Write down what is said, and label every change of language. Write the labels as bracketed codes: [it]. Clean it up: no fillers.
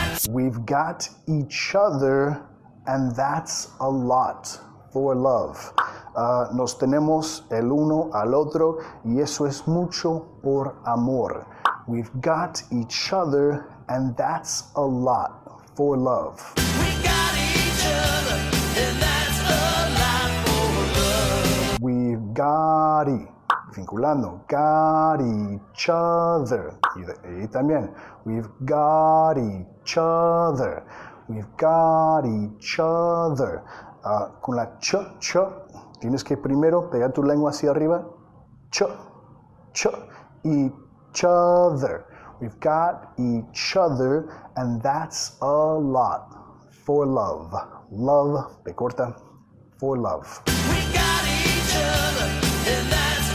[en] We've got each other, and that's a lot for love. [es] Nos tenemos el uno al otro, y eso es mucho por amor. [en] We've got each other, and that's a lot for love. We got each other, and that's a lot for love. We've got it. [es] Vinculando, [en] got each other. [es] Y también, [en] we've got each other. We've got each other. [es] Con la ch, ch, tienes que primero pegar tu lengua hacia arriba. [en] Ch, ch, each other. We've got each other, and that's a lot for love. Love, [es] te corta, [en] for love. We got each other, and that's